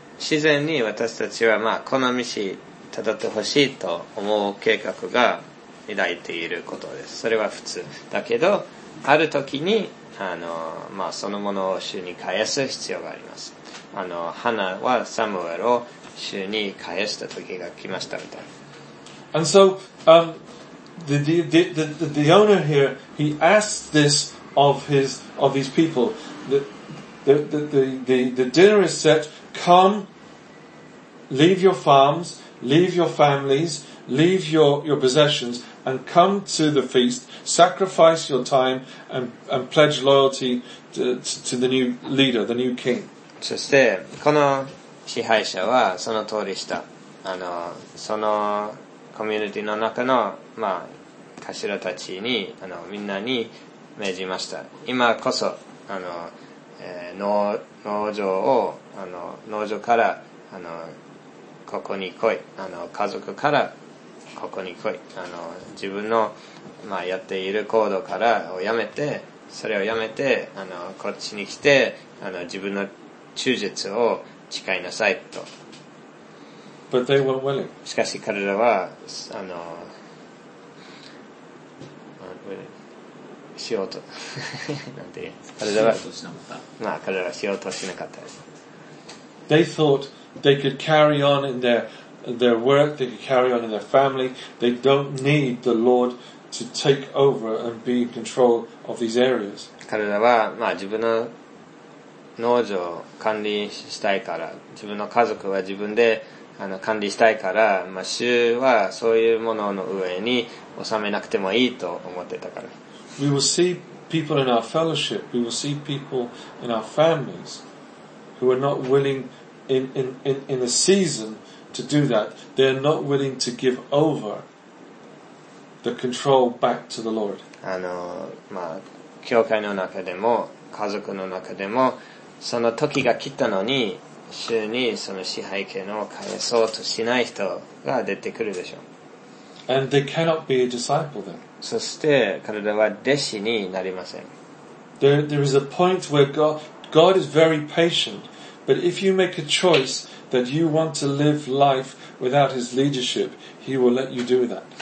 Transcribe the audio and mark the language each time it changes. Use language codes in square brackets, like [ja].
[ja] 自然に私たちはまあこの道を辿ってほしいと思う計画が抱いていることです。それは普通だけど、ある時にあのまあそのものを主に返す必要があります。あのハナはサムエルを主に返した時が来ましたみたいな。 [en] And so, the owner here, he asked this of his people. The dinner is set. Come, leave your farms, leave your families, leave your possessions, and come to the feast. Sacrifice your time and pledge loyalty to the new leader, the new king. [ja] そしてこの支配者はその通りした。あの、そのコミュニティの中の、まあ、頭たちに、あの、みんなに命じました。今こそ、あの、農場を、あの、農場から、あの、ここに来い。あの、家族から、ここに来い。あの、自分の、まあ、やっている行動からをやめて、それをやめて、あの、こっちに来て、あの、自分の忠実を、誓いなさいと。 [en] But they weren't willing. [ja] しかし彼らはあのしようとなんて言う。彼らはまあ彼らはしようとしなかったです。 [en] They thought they could carry on in their work, they could carry on in their family. They don't need the Lord to take over and be in control of these areas. [ja] 彼らはまあ自分の農場を管理したいから、自分の家族は自分であの管理したいから、まあ、主はそういうものの上に収めなくてもいいと思ってたから。 [en] We will see people in our fellowship, we will see people in our families who are not willing in the season to do that. They are not willing to give over the control back to the Lord. [ja] あの、まあ、教会の中でも、家族の中でも、その時が来たのに、主にその支配権を返そうとしない人が出てくるでしょう。 [en] And they cannot be a disciple then. [ja] そして彼らは弟子になりません。 [en] There is a point where God is very patient, but if you make a choice that you want to live life without His leadership, He will let you do that.